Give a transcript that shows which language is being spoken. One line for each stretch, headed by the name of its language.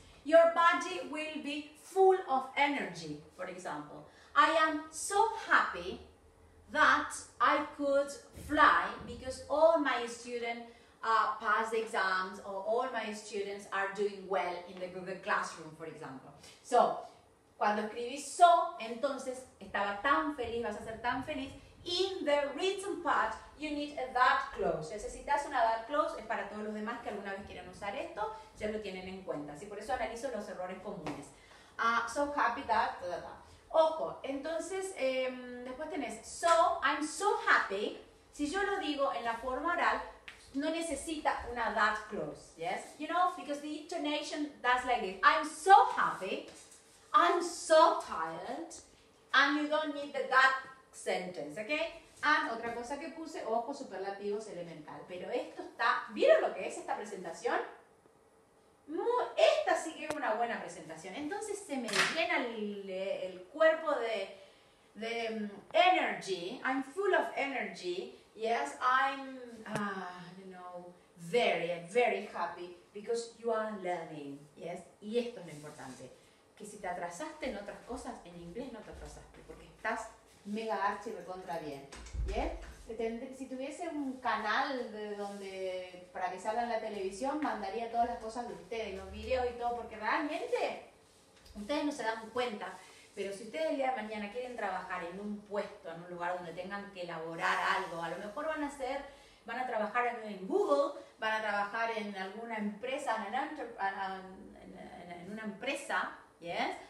English: Your body will be full of energy, for example. I am so happy that I could fly because all my students pass the exams or all my students are doing well in the Google Classroom, for example.
Spanish: So, cuando escribí so, entonces estaba tan feliz, vas a ser tan feliz.
English: In the written part, you need a that clause.
Spanish: Necesitas una that clause, es para todos los demás que alguna vez quieran usar esto, ya lo tienen en cuenta. Así por eso analizo los errores comunes.
English: So happy that, da, da, da.
Spanish: Ojo, entonces, después tenés, so,
English: I'm so happy.
Spanish: Si yo lo digo en la forma oral, no necesita una that clause, yes?
English: You know, because the intonation does like this. I'm so happy, I'm so tired, and you don't need the that sentence, okay?
Spanish: And otra cosa que puse, ojo, superlativos elemental. Pero esto está, ¿vieron lo que es esta presentación? Esta sí que es una buena presentación. Entonces se me llena el cuerpo de energy.
English: I'm full of energy. Yes, I'm, you know, very, very happy because you are learning.
Spanish: Yes, y esto es lo importante. Que si te atrasaste en otras cosas, en inglés no te atrasaste porque estás mega archi recontra bien, ¿bien? Si tuviese un canal de donde para que salga en la televisión, mandaría todas las cosas de ustedes, los videos y todo, porque realmente ustedes no se dan cuenta, pero si ustedes el día de mañana quieren trabajar en un puesto, en un lugar donde tengan que elaborar algo, a lo mejor van a trabajar en Google, van a trabajar en alguna empresa, en una empresa, ¿yes?